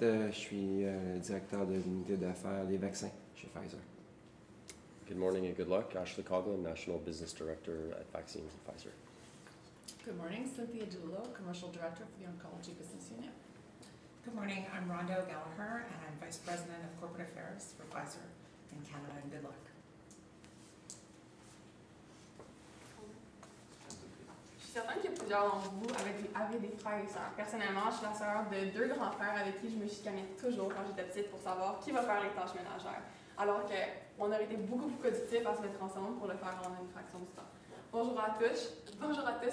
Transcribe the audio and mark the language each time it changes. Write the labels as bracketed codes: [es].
[fr] Je suis directeur de l'unité d'affaires des vaccins chez Pfizer. [en] Good morning and good luck. Ashley Coughlin, National Business Director at Vaccines and Pfizer. Good morning. Cynthia DeLillo, Commercial Director for the Oncology Business Unit. Good morning. I'm Rhonda Gallagher, and I'm Vice President of Corporate Affairs for Pfizer in Canada. And good luck. [fr] Je suis certaine que plusieurs d'entre vous avaient des frères et sœurs. Personnellement, je suis la sœur de deux grands frères avec qui je me chicanais toujours quand j'étais petite pour savoir qui va faire les tâches ménagères. Alors que on aurait été beaucoup plus productifs à se mettre ensemble pour le faire en une fraction du temps. Bonjour à tous. Bonjour à tous.